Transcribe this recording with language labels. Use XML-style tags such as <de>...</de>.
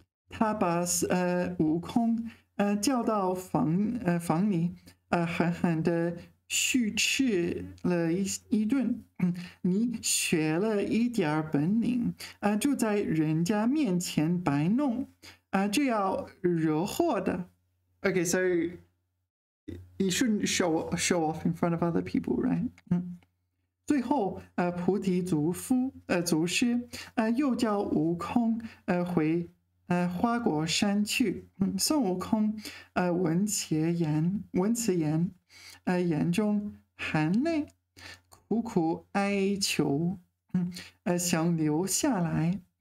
<zh>他把悟空叫到房里狠狠地训斥了一顿你学了一点本领就在人家面前摆弄就要惹祸的。</zh> <en>Okay, so you shouldn't show off in front of other people, right?</en> <zh>最后菩提祖师又叫悟空回花果山去。孙悟空闻此言眼中含泪苦苦哀求想留下来。</zh>